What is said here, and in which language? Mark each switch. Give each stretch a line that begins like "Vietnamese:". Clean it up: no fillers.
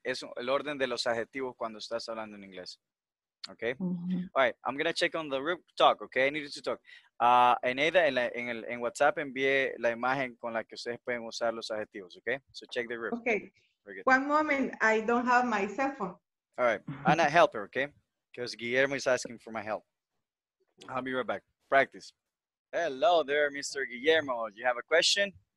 Spanish: Es el orden de los adjetivos cuando estás hablando en inglés.
English: Okay? Mm-hmm. All right, I'm going to check on the group talk, okay? I needed to talk.
Spanish: Eneida, en WhatsApp envié la imagen con la que ustedes pueden usar los adjetivos, okay?
English: So check the group. Okay. One moment, I don't have my cell phone. All right, Anna, help her, okay? Because Guillermo is asking for my help. I'll be right back. Practice. Hello there, Mr. Guillermo. Do you have a question?